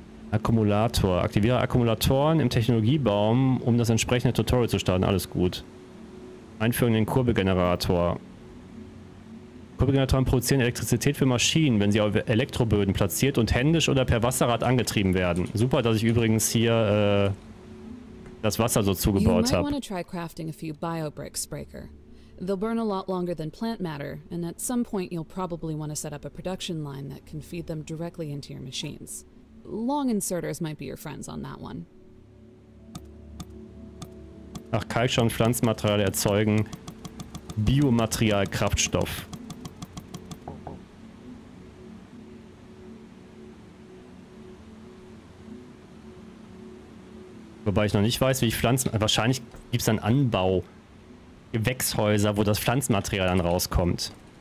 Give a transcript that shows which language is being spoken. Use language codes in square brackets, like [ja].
[de] Akkumulator. Aktiviere Akkumulatoren im Technologiebaum, um das entsprechende Tutorial zu starten. Alles gut. Einführung in den Kurbelgenerator. Kurbelgeneratoren produzieren Elektrizität für Maschinen, wenn sie auf Elektroböden platziert und händisch oder per Wasserrad angetrieben werden. Super, dass ich übrigens hier das Wasser so zugebaut habe. [en] You might want to try crafting a few biobricks, Breaker. They'll burn a lot longer than plant matter, and at some point you'll probably want to set up a production line that can feed them directly into your machines. Long inserters might be your friends on that one. [de] Ach, Kalkstoff und Pflanzenmaterial erzeugen Biomaterial Kraftstoff. Wobei ich noch nicht weiß, wie ich Pflanzen... Wahrscheinlich gibt es dann Anbau-Gewächshäuser, wo das Pflanzenmaterial dann rauskommt.